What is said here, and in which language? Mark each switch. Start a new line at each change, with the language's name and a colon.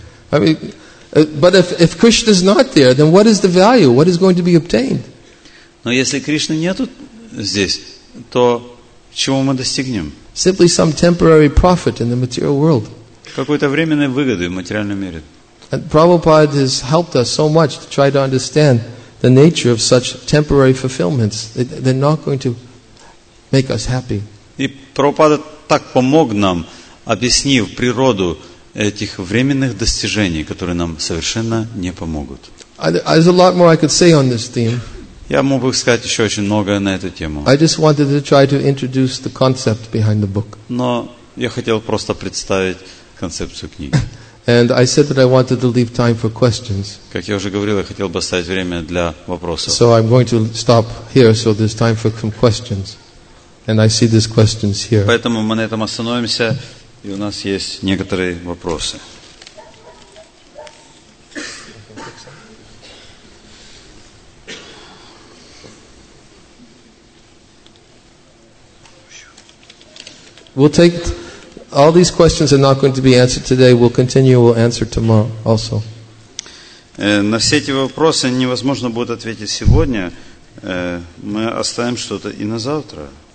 English: I mean, but if Krishna is not there, then what is the value? What is going to be obtained?
Russian: Но если Кришны нету здесь, то чего мы достигнем?
English: Simply some temporary profit in the material world.
Russian: Какой-то временной выгоды в материальном мире.
English: And Prabhupada has helped us so much to try to understand the nature of such temporary fulfillments. They're not going to make us happy.
Russian: И Прабхупада так помог нам, объяснив природу этих временных достижений, которые нам совершенно не помогут.
English: There's a lot more I could say on this theme.
Russian: Я мог бы сказать еще очень многое на эту тему.
English: I just wanted to try to introduce the concept behind the book.
Russian: Но я хотел просто представить концепцию книги.
English: And I said that I wanted to leave time for questions.
Russian: Как я уже говорил, я хотел бы оставить время для вопросов.
English: So I'm going to stop here, so there's time for some questions. And I see these questions here.
Russian: Поэтому мы на этом остановимся, и у нас есть некоторые вопросы.
English: We'll take all these questions are not going to be answered today. We'll continue. We'll answer tomorrow also.
Russian: На все эти вопросы невозможно будет ответить сегодня. Мы оставим что-то и на завтра.